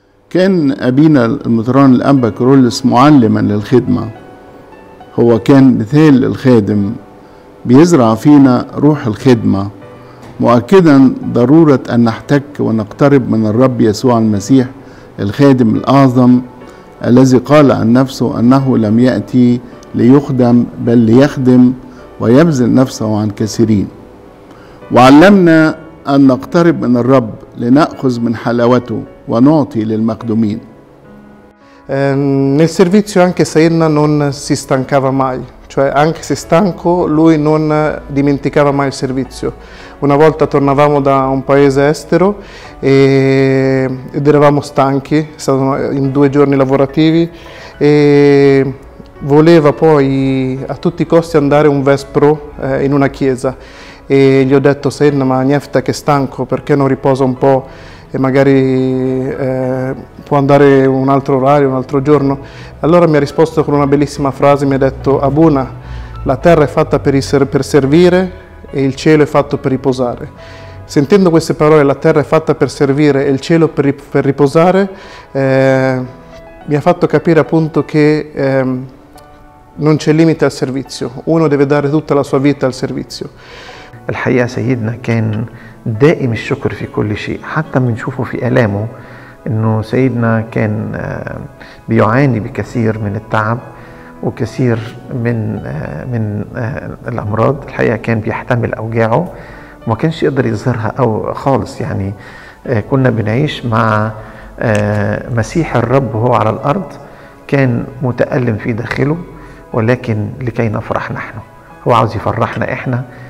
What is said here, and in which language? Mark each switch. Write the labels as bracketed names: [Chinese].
[Arabic] كان أبينا المطران الأنبا كيرولوس معلما للخدمة، هو كان مثال الخادم بيزرع فينا روح الخدمة، مؤكدا ضرورة أن نحتك ونقترب من الرب يسوع المسيح الخادم الأعظم الذي قال عن نفسه أنه لم يأتي ليخدم بل ليخدم ويبذل نفسه عن كثيرين. وعلمنا أن نقترب من الرب لنأخذ من حلاوته ونعطي للمخدومين. [Italian] Nel servizio anche Sayedna non si stancava mai, cioè anche se stanco lui non dimenticava mai il servizio. Una volta tornavamo da un paese estero ed eravamo stanchi, stavamo in due giorni lavorativi e voleva poi a tutti i costi andare un vespro in una chiesa. E gli ho detto, Sayedna, ma Niefta che stanco, perché non riposa un po'? E magari può andare un altro orario, un altro giorno. Allora mi ha risposto con una bellissima frase, mi ha detto, Abuna, la terra è fatta per servire e il cielo è fatto per riposare. Sentendo queste parole, la terra è fatta per servire e il cielo per riposare, mi ha fatto capire appunto che non c'è limite al servizio. Uno deve dare tutta la sua vita al servizio. [Arabic] الحقيقة سيدنا كان دائم الشكر في كل شيء، حتى بنشوفه في آلامه إنه سيدنا كان بيعاني بكثير من التعب وكثير من الأمراض. الحقيقة كان بيحتمل أوجاعه وما كانش يقدر يظهرها أو خالص، يعني كنا بنعيش مع مسيح الرب وهو على الأرض، كان متألم في داخله ولكن لكي نفرح نحن، هو عاوز يفرحنا إحنا.